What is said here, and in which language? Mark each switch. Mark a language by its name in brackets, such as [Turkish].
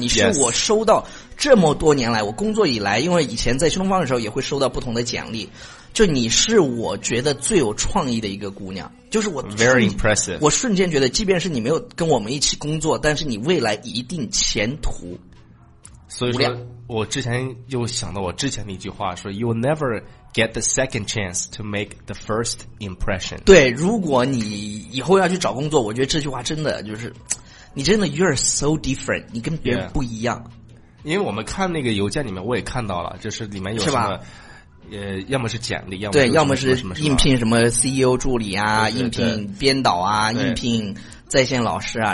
[Chinese] 你是我收到。这么多年来，我工作以来，因为以前在新东方的时候也会收到不同的简历，就你是我觉得最有创意的一个姑娘，就是我 [English] very impressive， [Chinese] 我瞬间觉得即便是你没有跟我们一起工作，但是你未来一定前途。所以说我之前又想到我之前的一句话，说 [English] you never get the second chance to make the first impression。 [Chinese] 对，如果你以后要去找工作，我觉得这句话真的就是你真的 [English] you're so different， [Chinese] 你跟别人不一样、 [English] yeah. [Chinese] 因为我们看那个邮件里面，我也看到了，就是里面有什么，要么是简历，要么对，要么是应聘什么 CEO 助理啊，应聘编导啊，应聘在线老师啊。